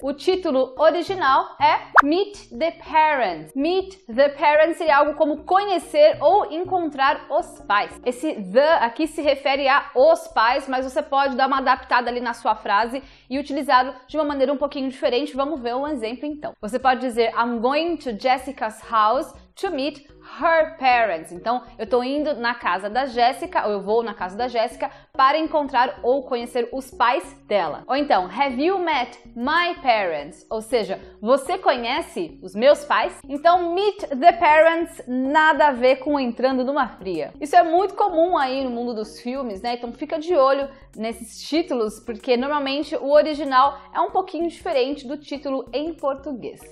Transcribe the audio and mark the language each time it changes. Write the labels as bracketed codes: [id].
[pt] O título original é Meet the Parents. Meet the Parents seria algo como conhecer ou encontrar os pais. Esse the aqui se refere a os pais, mas você pode dar uma adaptada ali na sua frase e utilizá-lo de uma maneira um pouquinho diferente. Vamos ver um exemplo então. Você pode dizer [en] I'm going to Jessica's house to meet her parents. [pt] Então, eu tô indo na casa da Jéssica, ou eu vou na casa da Jéssica, para encontrar ou conhecer os pais dela. Ou então, [en] have you met my parents? [pt] Ou seja, você conhece os meus pais? Então, meet the parents, nada a ver com entrando numa fria. Isso é muito comum aí no mundo dos filmes, né? Então, fica de olho nesses títulos, porque normalmente o original é um pouquinho diferente do título em português.